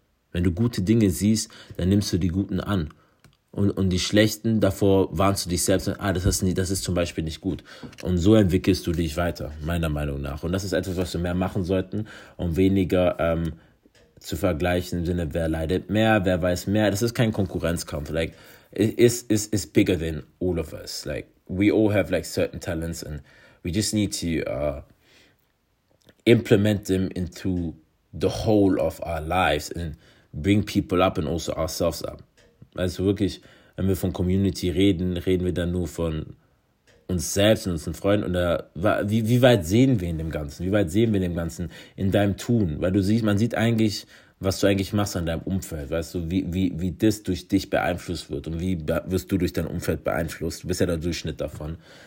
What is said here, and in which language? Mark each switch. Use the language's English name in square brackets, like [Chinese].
[German] Wenn du gute Dinge siehst, dann nimmst du die guten an. Und die schlechten, davor warnst du dich selbst. Das ist zum Beispiel nicht gut. Und so entwickelst du dich weiter, meiner Meinung nach. Und das ist etwas, was wir mehr machen sollten, um weniger zu vergleichen im Sinne, wer leidet mehr, wer weiß mehr. Das ist kein Konkurrenzkampf. [English] Like, it's bigger than all of us. Like, we all have like certain talents and we just need to implement them into the whole of our lives and bring people up and also ourselves up. [German] Also wirklich, wenn wir von Community reden, reden wir dann nur von uns selbst und unseren Freunden. Und da, wie weit sehen wir in dem Ganzen? Wie weit sehen wir in dem Ganzen in deinem Tun? Weil du siehst, man sieht eigentlich, was du eigentlich machst an deinem Umfeld. Weißt du, wie das durch dich beeinflusst wird und wie wirst du durch dein Umfeld beeinflusst? Du bist ja der Durchschnitt davon.